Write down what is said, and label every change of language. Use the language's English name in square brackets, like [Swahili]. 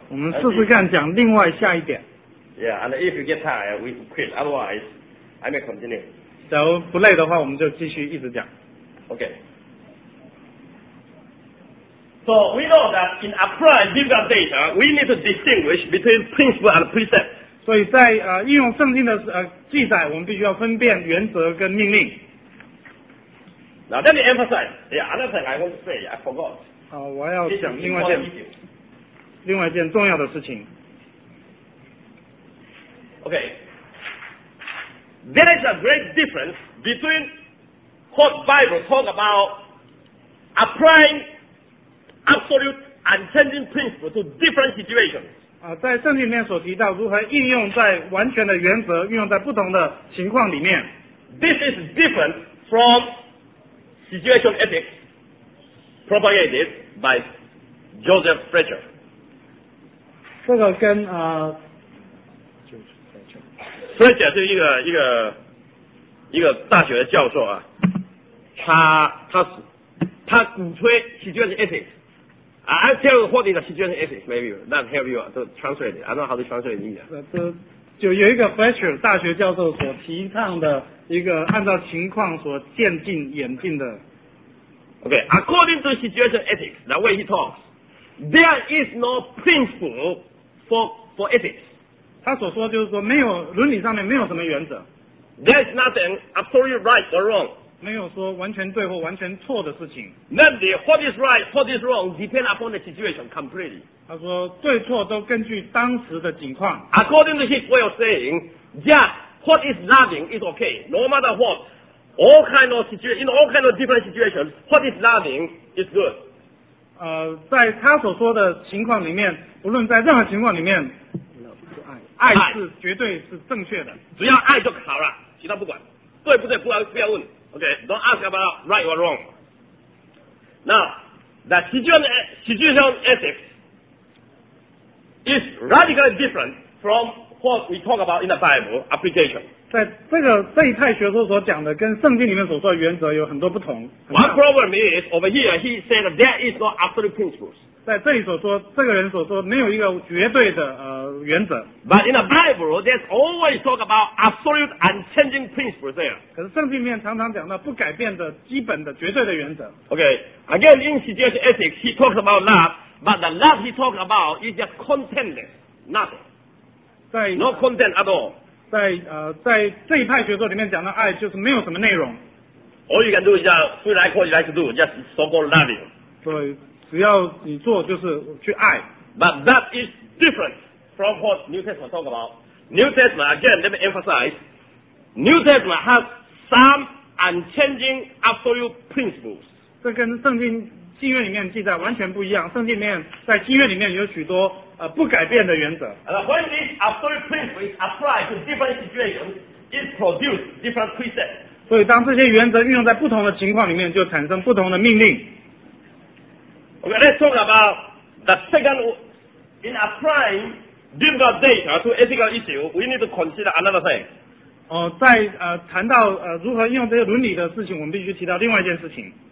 [Chinese] 我们试试看讲另外下一点。 [English] Yeah, and if you get tired, we quit. Otherwise, I may continue. [Chinese] 假如不累的话，我们就继续一直讲。 [English] Okay. So we know that in applying biblical data, we need to distinguish between principle and precept. [Chinese] 所以在应用圣经的记载，我们必须要分辨原则跟命令。 [English] Now let me emphasize. Yeah, another thing I want to say, I forgot. [Chinese] 好，我要讲另外一件重要的事情。 [English] Okay, there is a great difference between what Bible talk about applying absolute and changing principle to different situations. [Chinese] 在圣经里面所提到如何应用在完全的原则，运用在不同的情况里面。 [English] This is different from situation ethics propagated. By Joseph Fletcher. [Chinese] 这个跟 Fletcher 是一个大学的教授啊，他鼓吹 situation ethics. [English] I'll tell you what is a situation ethics, maybe that help you to translate it. I don't know how to translate it either. [Chinese] 就有一个 Fletcher 大学教授所提倡的一个按照情况所渐进演进的。 [English] Okay, according to situation ethics, the way he talks, there is no principle for ethics. [Chinese] 他所说就是说没有伦理上面没有什么原则。 [English] There is nothing absolutely right or wrong. [Chinese] 没有说完全对或完全错的事情。 [English] Namely, what is right, what is wrong, depend upon the situation completely. [Chinese] 他说对错都根据当时的情况。 [English] According to his way of saying, just what is loving is okay, no matter what. All kind of situation, in all kind of different situations, what is loving is good. [Chinese] 在他所说的情况里面，不论在任何情况里面，爱是绝对是正确的，只要爱就好了，其他不管。对不对？不要问。 [English] Okay, don't ask about right or wrong. Now, the situation ethics is radically different from what we talk about in the Bible application. [Chinese] 在这一派学说所讲的跟圣经里面所说的原则有很多不同。 [English] One problem is over here he said there is no absolute principles. [Chinese] 在这里所说这个人所说没有一个绝对的原则。 [English] But in the Bible there's always talk about absolute and changing principles there. [Chinese] 可是圣经里面常常讲到不改变的基本的绝对的原则。 [English] Okay, again in situation ethics he talks about love, but the love he talks about is just contentless, nothing. No content at all. [Chinese] 在这一派学说里面讲的爱就是没有什么内容。 [English] All you can do is just feel like what you like to do, just so-called loving. [Chinese] 对，只要你做就是去爱。 [English] But that is different from what New Testament talk about. New Testament, again, let me emphasize, New Testament has some unchanging absolute principles. [Chinese] 这跟圣经新约里面记载完全不一样。圣经里面在新约里面有许多不改变的原则。 [English] And when this absolute principle is applied to different situations, it produces different precepts. [Chinese] 所以当这些原则运用在不同的情况里面，就产生不同的命令。 [English] Okay, let's talk about the second. In applying biblical data to ethical issue, we need to consider another thing. [Chinese] 在谈到如何用这些伦理的事情，我们必须提到另外一件事情。